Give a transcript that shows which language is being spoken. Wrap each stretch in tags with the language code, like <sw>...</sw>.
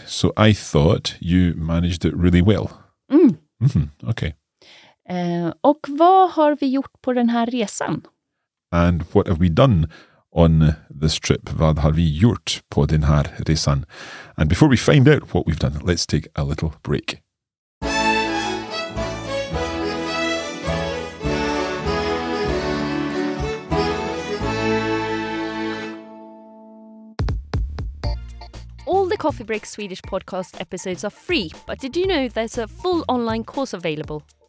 <en>So I thought you managed it really well. Mm. Mm-hmm. Okay.</en> <sv>Och vad har vi gjort på den här resan?</sv> <en>And what have we done on this trip?</en> <sv>Vad har vi gjort på den här resan?</sv> <en>And before we find out what we've done, let's take a little break. All the Coffee Break Swedish podcast episodes are free, but did you know there's a full online course available?</en>